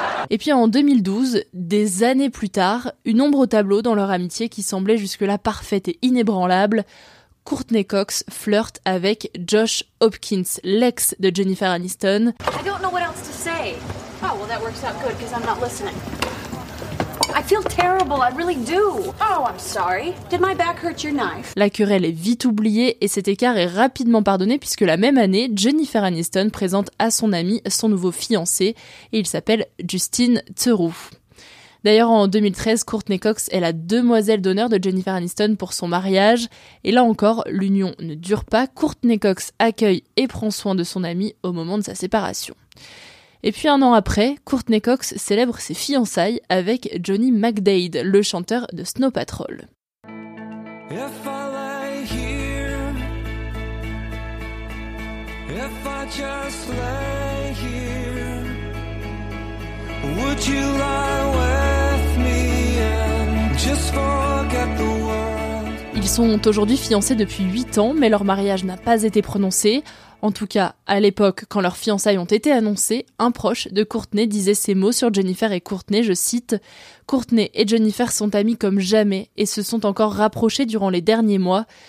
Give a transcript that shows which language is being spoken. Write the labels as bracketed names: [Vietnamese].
[French] Et puis en 2012, des années plus tard, une ombre au tableau dans leur amitié qui semblait jusque-là parfaite et inébranlable, Courteney Cox flirte avec Josh Hopkins, l'ex de Jennifer Aniston. [English] I don't know what else to say. Oh, well that works out good because I'm not listening. I feel terrible, I really do. Oh, I'm sorry. Did my back hurt your knife? [French] La querelle est vite oubliée et cet écart est rapidement pardonné puisque la même année, Jennifer Aniston présente à son ami son nouveau fiancé et il s'appelle Justin Theroux. D'ailleurs, en 2013, Courteney Cox est la demoiselle d'honneur de Jennifer Aniston pour son mariage. Et là encore, l'union ne dure pas. Courteney Cox accueille et prend soin de son ami au moment de sa séparation. Et puis un an après, Courteney Cox célèbre ses fiançailles avec Johnny McDade, le chanteur de Snow Patrol. [English] If I lay here, if I just lay here, would you lie with me and just forget the world? [French] Ils sont aujourd'hui fiancés depuis 8 ans, mais leur mariage n'a pas été prononcé. En tout cas, à l'époque, quand leurs fiançailles ont été annoncées, un proche de Courteney disait ces mots sur Jennifer et Courteney, je cite « Courteney et Jennifer sont amis comme jamais et se sont encore rapprochés durant les derniers mois.